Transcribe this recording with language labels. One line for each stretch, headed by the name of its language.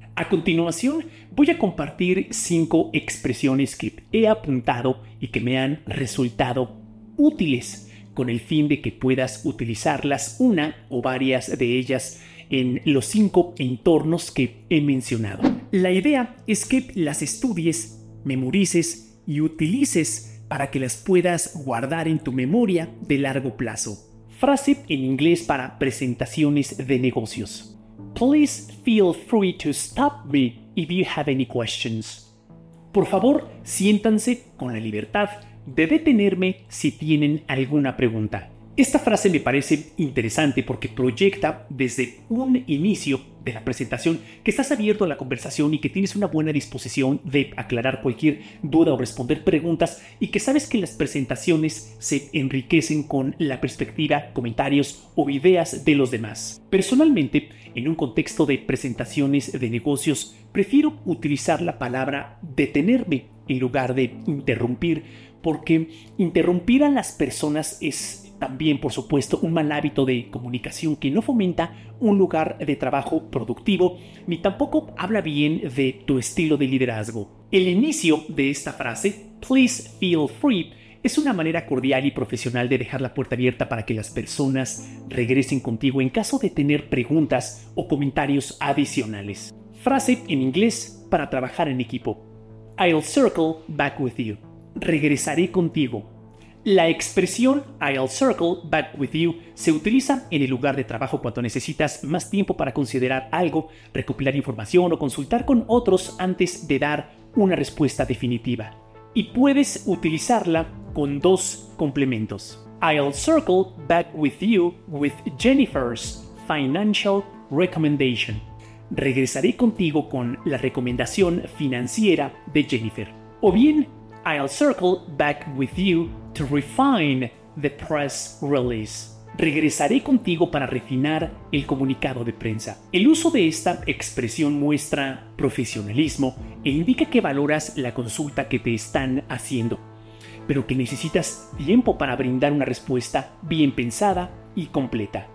Spanish: A continuación, voy a compartir 5 expresiones que he apuntado y que me han resultado útiles con el fin de que puedas utilizarlas, una o varias de ellas, en los 5 entornos que he mencionado. La idea es que las estudies, memorices y utilices para que las puedas guardar en tu memoria de largo plazo. Frase en inglés para presentaciones de negocios.
English: Please feel free to stop me if you have any questions.
Spanish: Por favor, siéntanse con la libertad de detenerme si tienen alguna pregunta. Esta frase me parece interesante porque proyecta desde un inicio de la presentación que estás abierto a la conversación y que tienes una buena disposición de aclarar cualquier duda o responder preguntas y que sabes que las presentaciones se enriquecen con la perspectiva, comentarios o ideas de los demás. Personalmente, en un contexto de presentaciones de negocios, prefiero utilizar la palabra detenerme en lugar de interrumpir, porque interrumpir a las personas es también, por supuesto, un mal hábito de comunicación que no fomenta un lugar de trabajo productivo ni tampoco habla bien de tu estilo de liderazgo. El inicio de esta frase,
English: please feel free,
Spanish: es una manera cordial y profesional de dejar la puerta abierta para que las personas regresen contigo en caso de tener preguntas o comentarios adicionales. Frase en inglés para trabajar en equipo.
English: I'll circle back with you.
Spanish: Regresaré contigo. La expresión
English: I'll circle back with you
Spanish: se utiliza en el lugar de trabajo cuando necesitas más tiempo para considerar algo, recopilar información o consultar con otros antes de dar una respuesta definitiva. Y puedes utilizarla con 2 complementos.
English: I'll circle back with you with Jennifer's financial recommendation.
Spanish: Regresaré contigo con la recomendación financiera de Jennifer. O bien,
English: I'll circle back with you to refine the press release.
Spanish: Regresaré contigo para refinar el comunicado de prensa. El uso de esta expresión muestra profesionalismo e indica que valoras la consulta que te están haciendo, pero que necesitas tiempo para brindar una respuesta bien pensada y completa.